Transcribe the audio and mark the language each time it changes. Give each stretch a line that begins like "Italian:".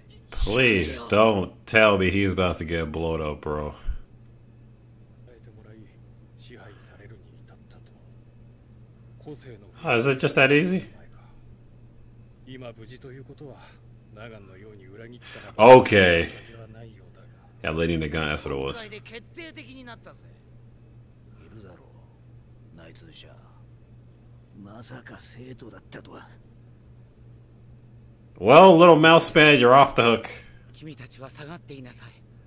English: Please don't tell me he's about to get blown up, bro. Is it just that easy? Okay. Yeah, leading the gun, that's what it was.
Japanese: 今回で決定的になったぜ。いるだろう、内通者。まさか生徒だったとは。
English: Well, little mouse man, you're off the hook.
Japanese: 君たちは下がっていなさい。